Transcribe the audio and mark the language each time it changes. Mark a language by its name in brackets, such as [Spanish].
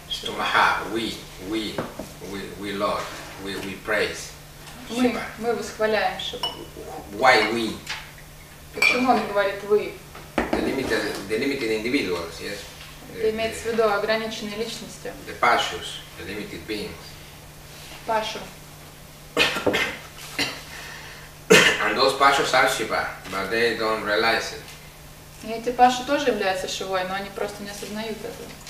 [English] Stumaha, we Lord. We praise Shiva. [Russian] Мы восхваляем Шиву. [English] Why we? [Russian] Почему он говорит вы? [English] The limited individuals, yes. [Russian] Это имеется в виду ограниченные личности. [English] The pashus, the limited beings. [Russian] Пашу. [English] And those pashus are Shiva, but they don't realize it. [Russian] И эти пашу тоже являются Шивой, но они просто не осознают этого.